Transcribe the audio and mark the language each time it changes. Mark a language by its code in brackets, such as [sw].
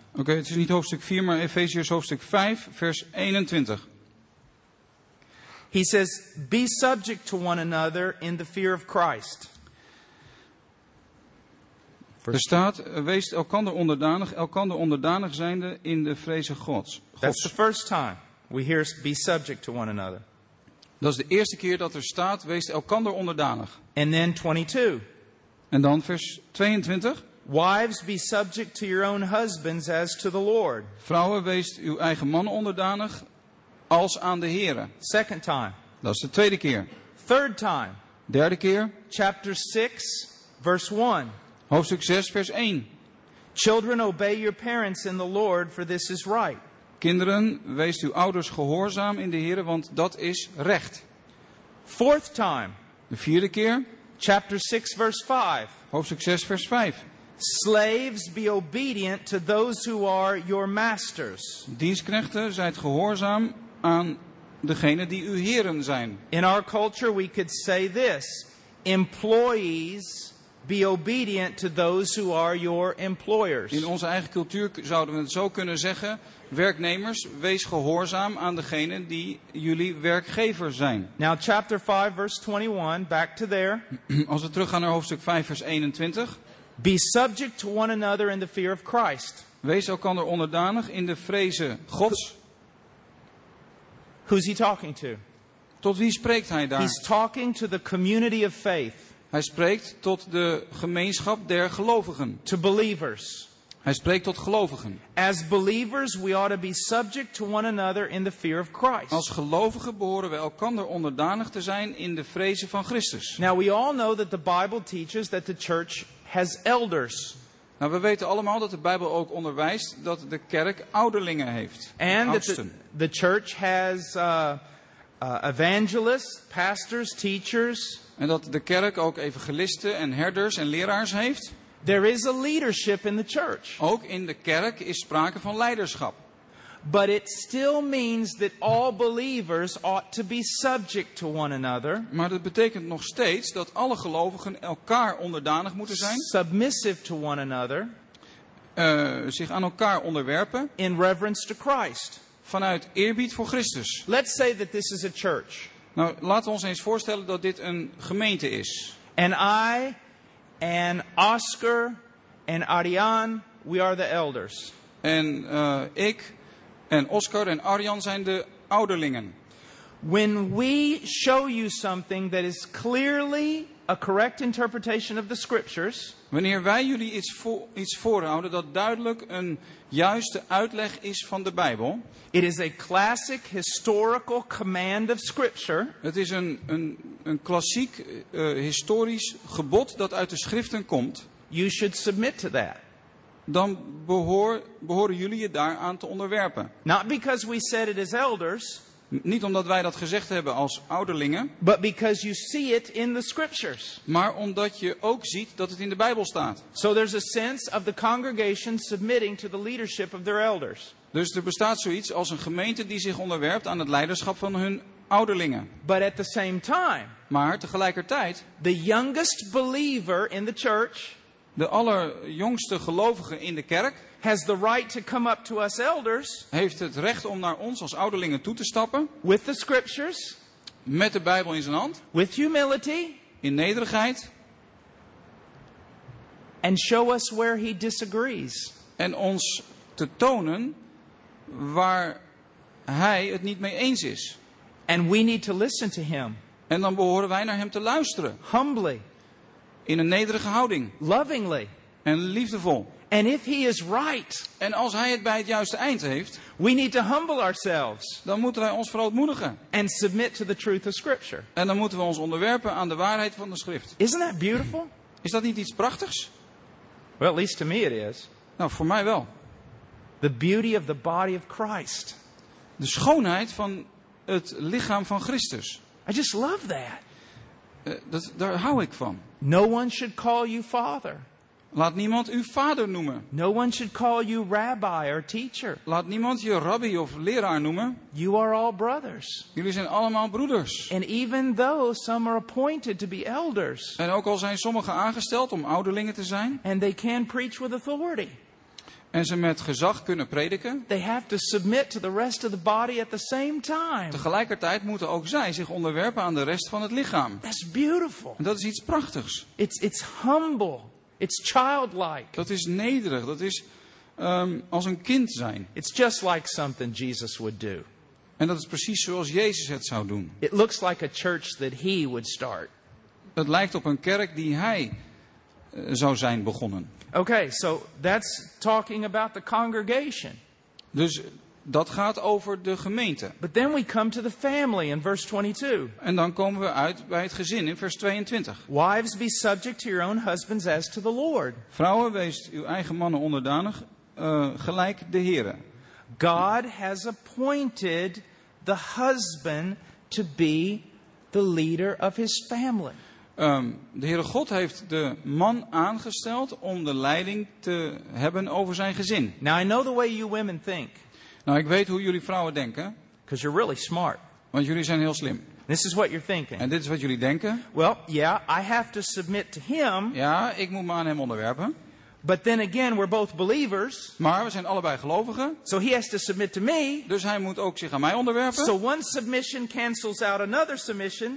[nl] Okay, het is niet hoofdstuk 4, maar Efeziërs hoofdstuk 5 vers 21. [en] He says, "Be subject to one another in the fear of Christ." [nl] Er staat, wees elkander onderdanig zijnde in de vreze Gods. [en] That's the first time we hear be subject to one another. [nl] Dat is de eerste keer dat er staat, wees elkander onderdanig. [en] And then 22. [nl] En dan vers 22. [en] Wives, be subject to your own husbands as to the Lord. [nl] Vrouwen, wees uw eigen man onderdanig als aan de Heere. [en] Second time. [nl] Dat is de tweede keer. [en] Third time. [nl] Derde keer. [en] Chapter 6, verse 1. [nl] Hoofdstuk 6, vers 1. [en] Children, obey your parents in the Lord, for this is right. [nl] Kinderen, wees uw ouders gehoorzaam in de Heere, want dat is recht. [en] Fourth time. [nl] De vierde keer. [en] Chapter 6, verse 5. [nl] Hoofdstuk 6, vers 5. [en] Slaves, be obedient to those who are your masters. [nl] Dienstknechten, zijt gehoorzaam aan degenen die uw heren zijn. [en] In our culture we could say this: employees, be obedient to those who are your employers. [nl] In onze eigen cultuur zouden we het zo kunnen zeggen: werknemers, wees gehoorzaam aan degenen die jullie werkgever zijn. [en] Now chapter 5 verse 21, back to there. [nl] Als we teruggaan naar hoofdstuk 5 vers 21. [en] Be subject to one another in the fear of Christ. [nl] Wees elkander onderdanig in de vreze Gods. [en] Who's he talking to? [nl] Tot wie spreekt hij daar? [en] He's talking to the community of faith. [nl] Hij spreekt tot de gemeenschap der gelovigen. [en] To believers. [nl] Hij spreekt tot gelovigen. [en] As believers, we ought to be subject to one another in the fear of Christ. [nl] Als gelovigen behoren we elkander onderdanig te zijn in de vreze van Christus. [en] Now we all know that the Bible teaches that the church has elders. [nl] Nou, we weten allemaal dat de Bijbel ook onderwijst dat de kerk ouderlingen heeft. [en] And the church has evangelists, pastors, teachers. [nl] En dat de kerk ook evangelisten en herders en leraars heeft. [en] There is a leadership in the church. [nl] Ook in de kerk is sprake van leiderschap. [en] But it still means that all believers ought to be subject to one another. [nl] Maar dat betekent nog steeds dat alle gelovigen elkaar onderdanig moeten zijn. [en] Submissive to one another. [nl] Zich aan elkaar onderwerpen. [en] In reverence to Christ. [nl] Vanuit eerbied voor Christus. [en] Let's say that this is a church. [nl] Nou, laten we ons eens voorstellen dat dit een gemeente is. [en] And I and Oscar and Arian, we are the elders. [nl] En ik en Oscar en Arjan zijn de ouderlingen. [en] When we show you something that is clearly a correct interpretation of the scriptures. [nl] Wanneer wij jullie iets voorhouden dat duidelijk een juiste uitleg is van de Bijbel. [en] It is a classic historical command of scripture. [nl] Het is een klassiek historisch gebod dat uit de schriften komt. [en] You should submit to that. [nl] Dan behoren jullie je daaraan te onderwerpen. [en] Not because we said it as elders. [nl] Niet omdat wij dat gezegd hebben als ouderlingen. [en] But because you see it in the scriptures. [nl] Maar omdat je ook ziet dat het in de Bijbel staat. [en] So there's a sense of the congregation submitting to the leadership of their elders. [nl] Dus er bestaat zoiets als een gemeente die zich onderwerpt aan het leiderschap van hun ouderlingen. [en] But at the same time. [nl] Maar tegelijkertijd. [en] The youngest believer in the church. [nl] De allerjongste gelovige in de kerk [en] has the right to come up to us elders, [nl] heeft het recht om naar ons als ouderlingen toe te stappen [en] with the scriptures, [nl] met de Bijbel in zijn hand [en] with humility, [nl] in nederigheid [en] and show us where he disagrees. [nl] En ons te tonen waar hij het niet mee eens is. [en] And we need to listen to him. [nl] En dan behoren wij naar hem te luisteren. [en] Humbly. [nl] In een nederige houding. [en] Lovingly. [nl] En liefdevol. [en] And if he is right, [nl] en als hij het bij het juiste eind heeft. [en] We need to humble ourselves. [nl] Dan moeten wij ons verootmoedigen. [en] And submit to the truth of scripture. [nl] En dan moeten we ons onderwerpen aan de waarheid van de schrift. [en] Isn't that beautiful? [nl] Is dat niet iets prachtigs? [en] Well, at least to me it is. [nl] Nou, voor mij wel. [en] The beauty of the body of Christ. [nl] De schoonheid van het lichaam van Christus. [en] I just love that. [nl] Daar hou ik van. [en] No one should call you father. [nl] Laat niemand u vader noemen. [en] No one should call you rabbi or teacher. [nl] Laat niemand je rabbi of leraar noemen. [en] You are all brothers. [nl] Jullie zijn allemaal broeders. [en] And even though some are appointed to be elders. [nl] En ook al zijn sommigen aangesteld om ouderlingen te zijn. [en] And they can preach with authority. [nl] En ze met gezag kunnen prediken. [en] They have to submit to the rest of the body at the same time. [nl] Tegelijkertijd moeten ook zij zich onderwerpen aan de rest van het lichaam. [en] That's beautiful. [nl] En dat is iets prachtigs. [en] It's humble. It's childlike. [nl] Dat is nederig. Dat is als een kind zijn. [en] It's just like something Jesus would do. [nl] En dat is precies zoals Jezus het zou doen. [en] It looks like a church that he would start. [nl] Het lijkt op een kerk die hij zou zijn begonnen. [en] Okay, so that's talking about the congregation. [nl] Dus dat gaat over de gemeente. [en] But then we come to the family in verse 22. [nl] En dan komen we uit bij het gezin in vers 22. [en] Wives, be subject to your own husbands as to the Lord. [nl] Vrouwen, wees uw eigen mannen onderdanig, gelijk de Heere. [en] God has appointed the husband to be the leader of his family. [nl] De Heere God heeft de man aangesteld om de leiding te hebben over zijn gezin. [en] Now I know the way you women think. [nl] Nou, ik weet hoe jullie vrouwen denken. [en] Because you're really smart. [nl] Want jullie zijn heel slim. [en] This is what you're thinking. [nl] En dit is wat jullie denken. [en] Well, yeah, I have to submit to him. [nl] Ja, ik moet me aan hem onderwerpen. [en] But then again, we're both believers. [nl] Maar we zijn allebei gelovigen. [en] So he has to submit to me. [nl] Dus hij moet ook zich aan mij onderwerpen. [en] So one submission cancels out another submission.